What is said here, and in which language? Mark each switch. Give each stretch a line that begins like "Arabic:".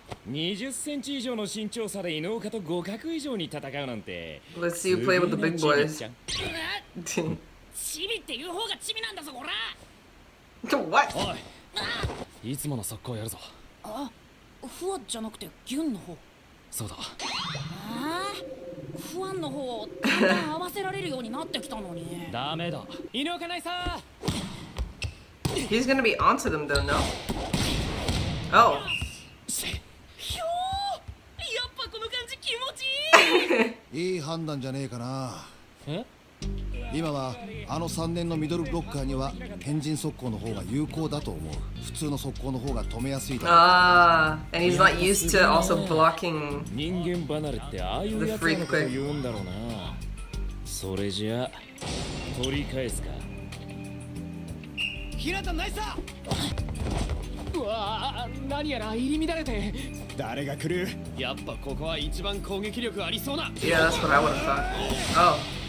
Japanese: 20センチ以上の身長差で犬岡と互角以上に戦うなんて。
English: Let's see you play with the big boys.
Japanese: チビっていう方がチビなんだぞ、こら。
English: What?
Japanese: いつもの速攻やるぞ。あ、フワじゃなくてギュンの方。そうだ。フワンの方を合わせられるようになってきたのに。ダメだ。犬岡ナイサ
English: ー。 He's gonna be onto them though, no? Oh.
Japanese: やっぱこの感じ気持ちいい。いい判断じゃねえかな。え？今はあの3年のミドルブロッカーには変人速攻の方が有効だと思う。普通の速攻の方が止めやすいだろう。ああ、
English: and he's not used to also blocking.
Japanese: 人間離れってああいうやつが言うんだろうな。それじゃあ取り返すか。ひなたナイスだ。うわ、何やら入り乱れて。誰が来る？やっぱここは一番攻撃力ありそうな。
English: Yeah, that's what I would have thought. Oh.